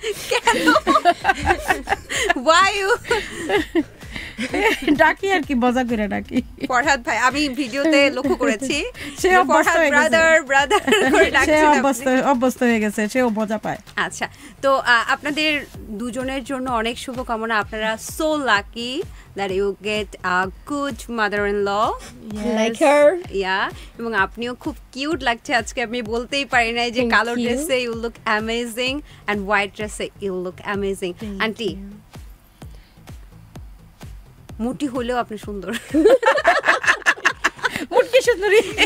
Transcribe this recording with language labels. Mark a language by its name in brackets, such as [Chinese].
[Bangla] কেন Y you ডাকি আর কি, মজা করে ডাকি ফরহাদ ভাই। আমি ভিডিওতে লক্ষ্য করেছি সে অবস্থা হয়ে গেছে, ব্রাদার ব্রাদার করে ডাকছে, সে অবস্থা হয়ে গেছে, সে মজা পায়। আচ্ছা, তো আপনাদের দুজনের জন্য অনেক শুভকামনা। আপনারা [English] So lucky that you get a good mother-in-law. Yes. Like her. Yeah. [Bangla] এবং আপনিও খুব কিউট লাগছে আজকে, আমি বলতেই পারি না, যে কালো ড্রেসে [English] you look amazing and white [Bangla] ড্রেসে [English] You look amazing. [Bangla] আন্টি মুটি হলেও আপনি সুন্দর, মুটকি সুন্দরই।